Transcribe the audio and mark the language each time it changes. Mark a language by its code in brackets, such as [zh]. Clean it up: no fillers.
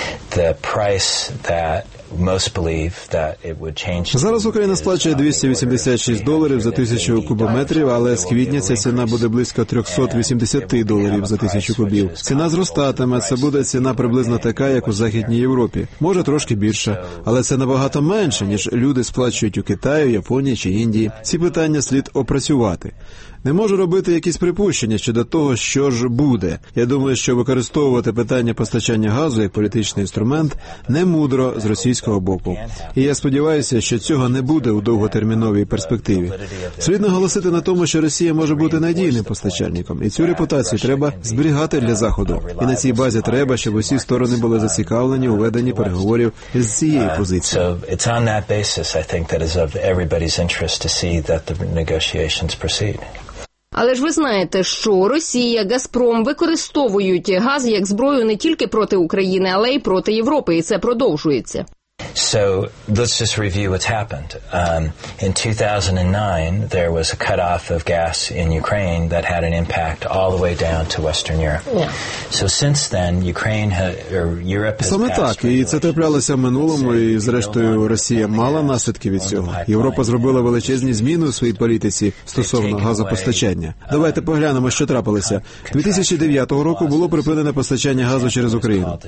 [en] The price that most believe that it would change. [uk] Зараз Україна сплачує $286 за 1000 кубометрів, але з квітня ця ціна буде близько $380 за 1000 кубів. Ціна зростатиме, це буде ціна приблизно така, як у Західній Європі. Може трошки більша, але це набагато менше, ніж люди сплачують у Китаї, Японії чи Індії. Ці питання слід опрацювати. Не можу робити якісь припущення щодо того, що ж буде. Я думаю, що використовувати питання постачання газу як політичний інструмент не мудро з російського боку. І я сподіваюся, що цього не буде у довготерміновій перспективі. Слід наголосити на тому, що Росія може бути надійним постачальником, і цю репутацію треба зберігати для Заходу. І на цій базі треба, щоб усі сторони були зацікавлені у веденні переговорів з цієї позиції. [en] It's on that basis, I think, that is of everybody's interest to see that the negotiations proceed. [uk] Але ж ви знаєте, що Росія, Газпром використовують газ як зброю не тільки проти України, але й проти Європи, і це продовжується. [en] So let's just review what's happened. In 2009, there was a cutoff of gas in Ukraine that had an impact all the way down to Western Europe. So since then, Ukraine or Europe has. [uk] Саме так, і це траплялося в минулому, і зрештою Росія мала наслідки від цього. Європа зробила величезні зміни у своїй політиці стосовно газопостачання. Давайте поглянемо, що трапилося. 2009 року було припинене постачання газу через Україну.